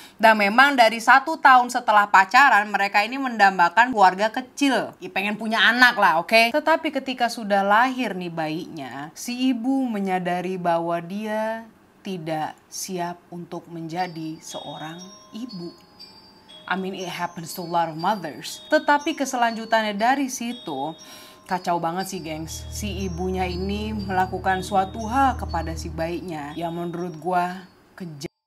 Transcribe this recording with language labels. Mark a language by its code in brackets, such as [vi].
[id] Dan memang dari 1 tahun setelah pacaran, mereka ini mendambakan keluarga kecil. Ya, pengen punya anak lah, oke? Okay? Tetapi ketika sudah lahir nih bayinya, si ibu menyadari bahwa dia tidak siap untuk menjadi seorang ibu. [en] I mean, it happens to a lot of mothers. [id] Tetapi keselanjutannya dari situ, kacau banget sih, gengs. Si ibunya ini melakukan suatu hal kepada si bayinya yang menurut gua kejam.